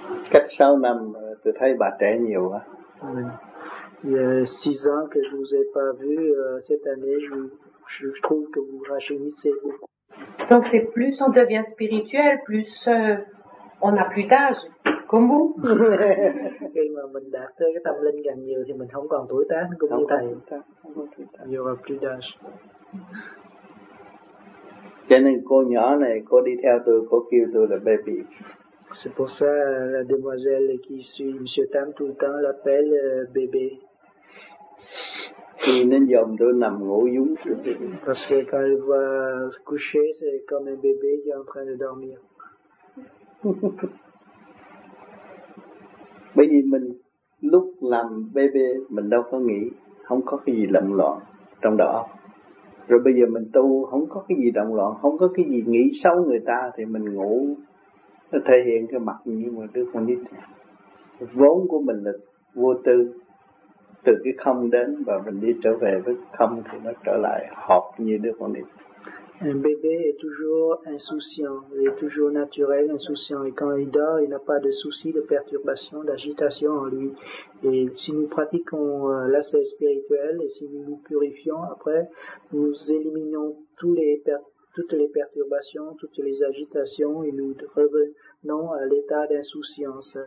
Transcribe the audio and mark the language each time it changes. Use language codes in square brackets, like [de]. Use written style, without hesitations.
[vi] Cách 6 năm tôi thấy bà trẻ nhiều quá. [fr] Il y a 6 ans que je vous ai pas vu cette année, je trouve que vous rajeunissez beaucoup. Donc c'est plus on devient spirituel, plus on a plus d'âge, comme vous. [vi] Khi mà mình đạt tới cái tâm linh càng nhiều thì mình không còn tuổi tác cũng không như thầy. Không còn tuổi tác. [fr] Il y aura plus d'âge. [vi] Cho nên cô nhỏ này, cô đi theo tôi, cô kêu tôi là baby. [fr] C'est pour ça la demoiselle qui suit M. Tam tout le temps l'appelle bébé. Parce que quand elle voit se coucher, c'est comme un bébé qui est en train de dormir. [vi] Bởi vì mình lúc làm bébé mình đâu có nghĩ, không có cái gì lẫn lộn trong đó. Rồi bây giờ mình tu không có cái gì động loạn, không có cái gì nghĩ xấu người ta thì mình ngủ, nó thể hiện cái mặt như mà đứa con nít. Vốn của mình là vô tư, từ cái không đến và mình đi trở về với không thì nó trở lại hợp như đứa con nít. [fr] Un bébé est toujours insouciant, il est toujours naturel, insouciant. Et quand il dort, il n'a pas de soucis, de perturbations, d'agitation en lui. Et si nous pratiquons l'assez spirituel, et si nous nous purifions, après, nous éliminons toutes les perturbations, toutes les agitations, et nous revenons à l'état d'insouciance.